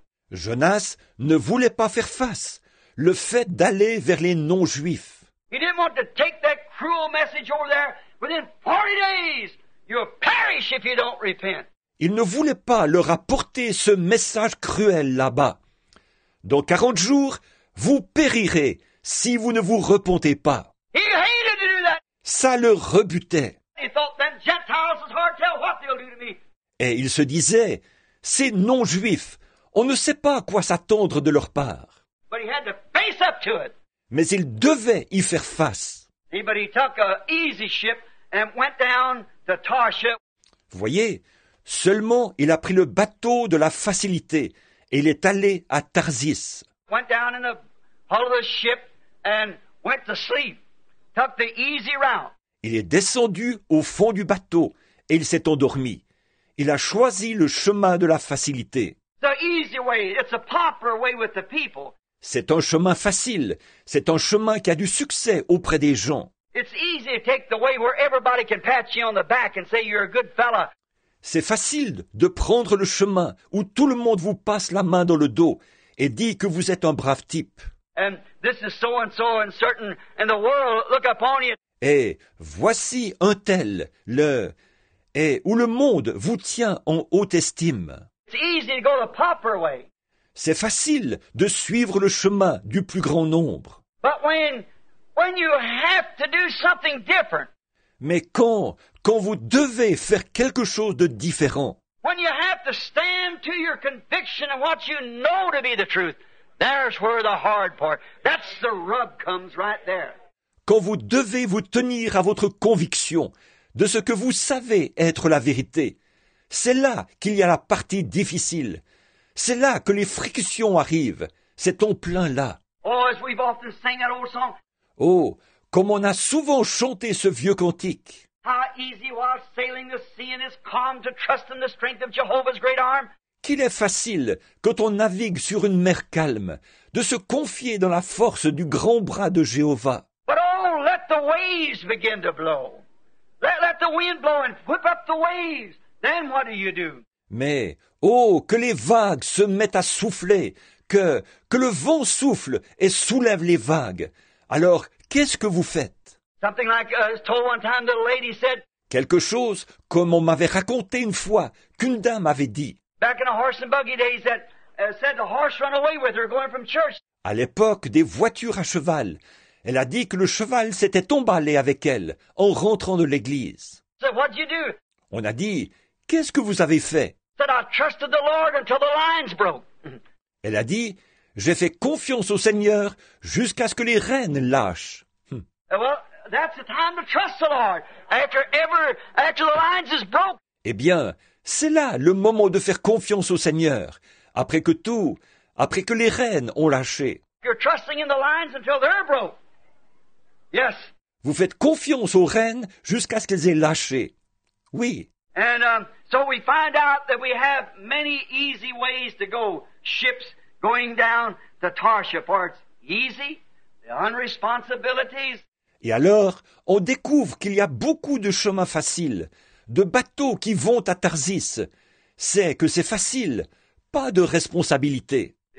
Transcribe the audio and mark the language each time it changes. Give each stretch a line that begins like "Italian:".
French: Jonas ne voulait pas faire face le fait d'aller vers les non-juifs.
English: He didn't want to take that cruel message over there. Within 40 days, you'll perish if you don't repent.
French: Il ne voulait pas leur apporter ce message cruel là-bas. Dans 40 jours, vous périrez si vous ne vous repentez pas.
English: He hated to do that.
French: Ça le rebutait.
English: He thought them Gentiles is hard to tell what they'll do to me.
French: Et il se disait, ces non-juifs, on ne sait pas à quoi s'attendre de leur part.
English: But he had to face up to it.
French: Mais il devait y faire face.
English: But he took an easy ship and went down to Tarshish.
French: Vous voyez, seulement il a pris le bateau de la facilité et il est allé à Tarsis.
English: Went down in the hull of the ship and went to sleep. Took the easy route.
French: Il est descendu au fond du bateau et il s'est endormi. Il a choisi le chemin de la facilité.
English: The easy way. It's a popular way with the people.
French: C'est un chemin facile. C'est un chemin qui a du succès auprès des gens.
English: It's easy to take the way where everybody can pat you on the back and say you're a good fella.
French: C'est facile de prendre le chemin où tout le monde vous passe la main dans le dos et dit que vous êtes un brave type.
English: And this is so and so and certain, and the world look upon you.
French: Et voici un tel, le, et où le monde vous tient en haute estime.
English: It's easy to go the proper way.
French: C'est facile de suivre le chemin du plus grand nombre.
English: But when you have to do something different.
French: Mais quand vous devez faire quelque chose de différent.
English: When you have to stand to your conviction and what you know to be the truth. There's where the hard part. That's the rub comes right there.
French: Quand vous devez vous tenir à votre conviction de ce que vous savez être la vérité, c'est là qu'il y a la partie difficile. C'est là que les frictions arrivent. C'est en plein là.
English: Oh, as we've often sang that old song.
French: Oh, comme on a souvent chanté ce vieux cantique.
English: How easy while sailing the sea in his calm to trust in the strength of Jehovah's great arm.
French: Qu'il est facile, quand on navigue sur une mer calme, de se confier dans la force du grand bras de Jéhovah.
English: But oh, let the waves begin to blow. Let the wind blow and whip up the waves. Then what do you do?
French: Mais, oh, que les vagues se mettent à souffler, que le vent souffle et soulève les vagues. Alors, qu'est-ce que vous faites?
English: Something like I was told one time that a lady said.
French: Quelque chose, comme on m'avait raconté une fois, qu'une dame avait dit.
English: Back in the horse and buggy days, that said the horse ran away with her going from church.
French: À l'époque des voitures à cheval, elle a dit que le cheval s'était emballé avec elle en rentrant de l'église.
English: So what did you do?
French: On a dit, qu'est-ce que vous avez fait?
English: Said I trusted the Lord until the lines broke.
French: Elle a dit, j'ai fait confiance au Seigneur jusqu'à ce que les rênes lâchent.
English: Well, that's the time to trust the Lord after the lines is broke.
French: Eh bien. C'est là le moment de faire confiance au Seigneur, après que tout, après que les rênes ont lâché.
English: You're trusting in the lines until they're broke. Yes.
French: Vous faites confiance aux rênes jusqu'à ce qu'elles aient lâché. Oui.
English: And so we find out that we have many easy ways to go. Ships going down to Tarshish, or it's easy, the unresponsibilities.
French: Et alors, on découvre qu'il y a beaucoup de chemins faciles. De bateaux qui vont à Tarsis, c'est que c'est facile, pas de responsabilité.